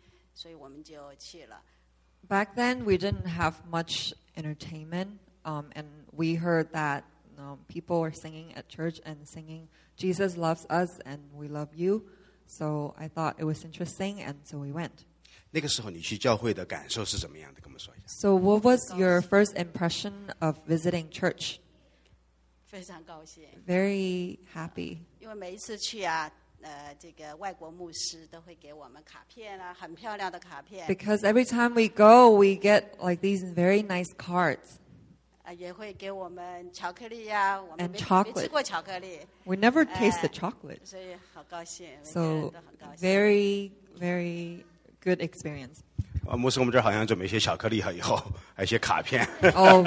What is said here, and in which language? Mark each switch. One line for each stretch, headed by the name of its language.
Chinese: 那时候没有什么儿童乐园，那时候就听到这个附近有这个唱歌，耶稣爱我，我爱耶稣，哎，这个歌很好听，所以我们就去了。Back
English: then we didn't have much entertainment, and we heard that people were singing at church and singing. Jesus loves us and we love you. So I thought it was interesting and so we went.
Chinese: 那个时候你去教会的感受是怎么样的？跟我们说一下。
English: So what was your first impression of visiting church?
Chinese: 非常高兴。
English: Very happy.
Chinese: 因为每一次去啊，这个外国牧师都会给我们卡片啊，很漂亮的卡片。
English: Because every time we go, we get like these very nice cards.
Chinese: 也会给我们巧克力呀，我们没 没吃过巧克力。
English: We never tasted chocolate.
Chinese: 所以好高兴，so
English: very very good experience.
Chinese: 牧师，我们这儿好像准备一些巧克力哈，以后还有一些卡片。Oh,